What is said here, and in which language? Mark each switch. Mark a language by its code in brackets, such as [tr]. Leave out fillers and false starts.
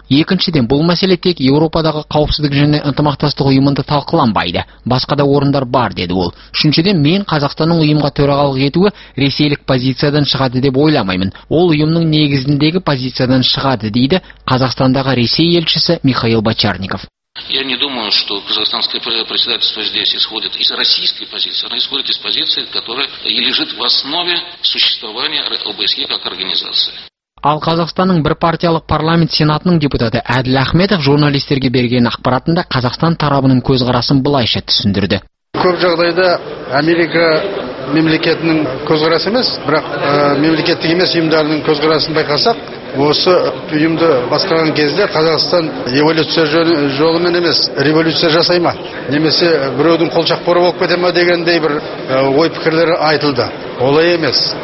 [kk] Екіншіден, бұл мәселе тек Еуропадағы қауіпсіздік және ынтымақтастық ұйымында талқыланбайды. Басқа да орындар бар деді ол. Үшіншіден, мен Қазақстанның ұйымға төрағалық етуі ресейлік позициядан шығады деп ойламаймын. Ол ұйымның негізіндегі позициядан шығады дейді Қазақстандағы Ресей елшісі Михаил Бочарников. [ru] Я не думаю, что казахстанское председательство здесь исходит из российской позиции, оно исходит из позиции, которая лежит в основе существования ОБСЕ как организации. [kk] Ал Қазақстанның бір партиялық парламент сенатының депутаты Әділ Ахметов журналистерге берген ақпаратында Қазақстан тарабының көзқарасын былайша түсіндірді. Көп жағдайда Америка мемлекетінің көзқарасы емес, бірақ мемлекеттік емес ұйымдардың көзқарасын байқасақ, осы ұйымды басқарған кезде Қазақстан эволюция жолымен емес, революция жасай ма, немесе біреудің қолшақпоры болып кете ма дегендей бір ой пікірлері айтылды. Олай емес.